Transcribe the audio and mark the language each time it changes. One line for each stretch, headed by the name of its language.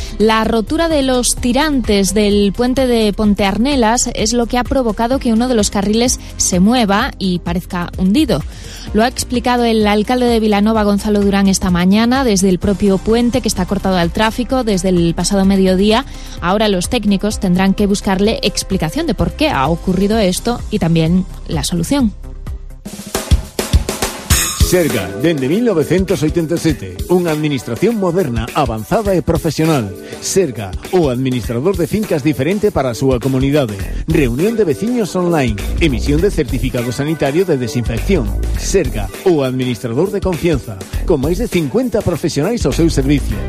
Spanish: La rotura de los tirantes del puente de Ponte Arnelas es lo que ha provocado que uno de los carriles se mueva y parezca hundido. Lo ha explicado el alcalde de Vilanova, Gonzalo Durán, esta mañana desde el propio puente que está cortado al tráfico desde el pasado mediodía. Ahora los técnicos tendrán que buscarle explicación de por qué ha ocurrido esto y también la solución.
Galician: Serga, dende 1987, unha administración moderna, avanzada e profesional. Serga, o administrador de fincas diferente para a súa comunidade. Reunión de veciños online, emisión de certificado sanitario de desinfección. Serga, o administrador de confianza, con máis de 50 profesionais ao seu servicio.